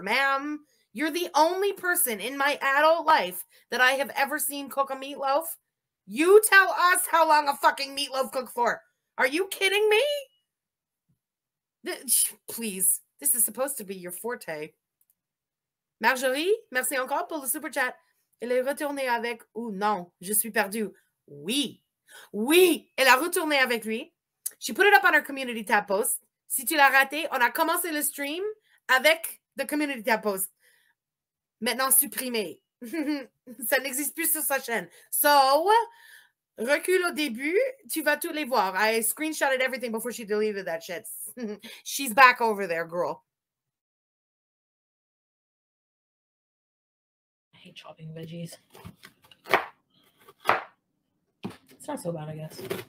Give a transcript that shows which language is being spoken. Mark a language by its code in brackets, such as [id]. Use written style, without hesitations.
[en] Ma'am, you're the only person in my adult life that I have ever seen cook a meatloaf. You tell us how long a fucking meatloaf cook for. Are you kidding me? Please. This is supposed to be your forte. [fr] Marjorie, merci encore pour le super chat. Elle est retournée avec... Ou non, je suis perdue. Oui. Oui, elle a retourné avec lui. [en] She put it up on her community tab post. [fr] Si tu l'as raté, on a commencé le stream avec [en] the community tab post. [fr] Maintenant supprimé. Ça n'existe plus sur sa chaîne. So, recule au début, tu vas tous les voir. [en] I screenshotted everything before she deleted that shit. She's back over there, girl. I hate chopping veggies. It's not so bad, I guess.